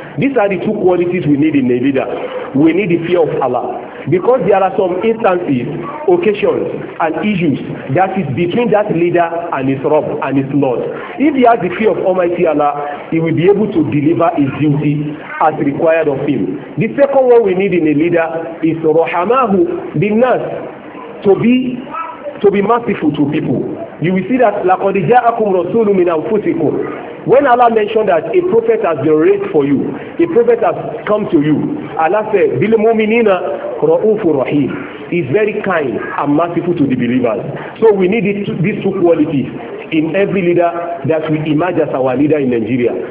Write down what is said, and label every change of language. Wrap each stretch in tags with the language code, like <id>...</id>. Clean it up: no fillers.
<en>These are the two qualities we need in a leader. We need the fear of Allah, because there are some instances, occasions, and issues that is between that leader and his Rabb and his Lord. If he has the fear of Almighty Allah, he will be able to deliver his duty as required of him. The second one we need in a leader is Rahamahu Binnas, to be merciful to people. You will see that</en> <ar>لَقَدْ جَاءَكُمْ رَسُولٌ مِنْ أَنْفُسِكُمْ.</ar> <en>When Allah mentioned that a prophet has been raised for you, a prophet has come to you, Allah said,</en> <ar>بِالْمُؤْمِنِينَ رَؤُوفُ رَحِيمٌ.</ar> <en>He's very kind and merciful to the believers. So we need these two qualities in every leader that we emerge as our leader in Nigeria.</en>